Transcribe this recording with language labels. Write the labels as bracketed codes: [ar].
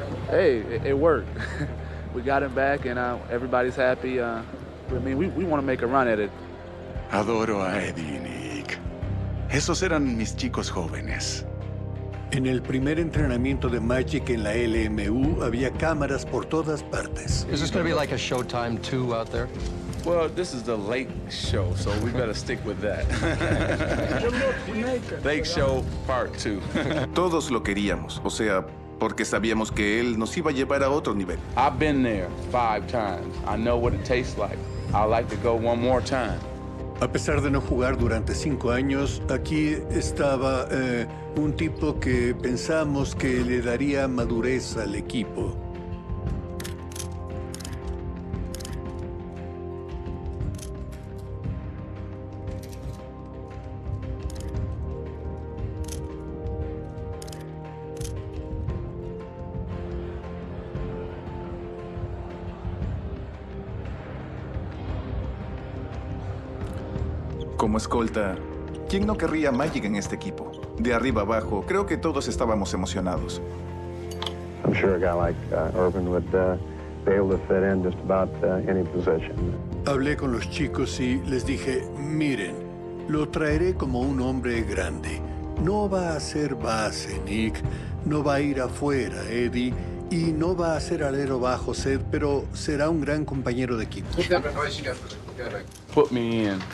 [en] Hey, it worked. We got him back and everybody's happy. We want to make a run at it. [es] Adoro a Eddie y Nick. Esos eran mis chicos jóvenes. En el primer entrenamiento de Magic en la LMU, había cámaras por todas partes. [en] Is this going to be like a Showtime 2 out there? Well, this is the late show, so we better stick with that. Late show part 2. [es] Todos lo queríamos, o sea, porque sabíamos que él nos iba a llevar a otro nivel. [en] I've been there 5 times. I know what it tastes like. I'd like to go one more time. [es] A pesar de no jugar durante 5 años, aquí estaba un tipo que pensamos que le daría madurez al equipo. Como escolta, ¿quién no querría a Magic en este equipo? De arriba abajo, creo que todos estábamos emocionados. [en] I'm sure a guy like Irvin would be able to fit in just about any position. [es] Hablé con los chicos y les dije, miren, lo traeré como un hombre grande. No va a ser base, Nick. No va a ir afuera, Eddie. Y no va a ser alero bajo, Seth, pero será un gran compañero de equipo. [en] Put me in.